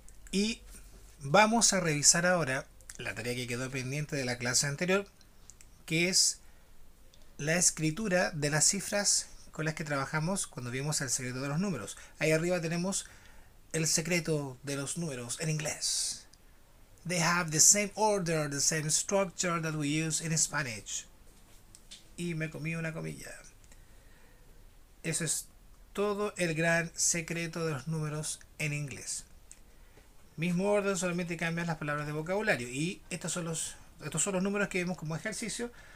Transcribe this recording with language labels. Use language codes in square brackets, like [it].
[es] Y vamos a revisar ahora la tarea que quedó pendiente de la clase anterior, que es la escritura de las cifras con las que trabajamos cuando vimos el secreto de los números. Ahí arriba tenemos el secreto de los números en inglés. [en] They have the same order, the same structure that we use in Spanish. [es] Y me comí una comilla. Eso es todo el gran secreto de los números en inglés. Mismo orden, solamente cambian las palabras de vocabulario. Y estos son los números que vemos como ejercicio.